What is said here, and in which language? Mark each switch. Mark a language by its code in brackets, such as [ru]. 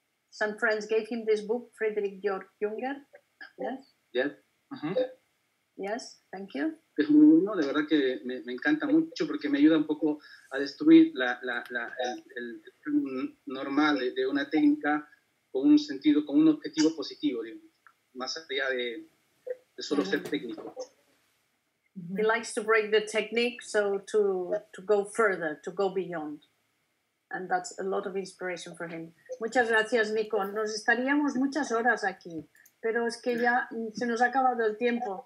[en] Some friends gave him this book, Friedrich Georg Junger. Yes. Yes. Uh-huh. Yes. Thank you. [es] Es muy bueno, de verdad que me encanta mucho porque me ayuda un poco a destruir el normal de una técnica con un sentido, con un objetivo positivo, digamos, más allá de solo ser técnico. [en] He likes to break the technique, so to go further, to go beyond. And that's a lot of inspiration for him. [es] Muchas gracias, Nico. Nos estaríamos muchas horas aquí, pero es que ya se nos ha acabado el tiempo.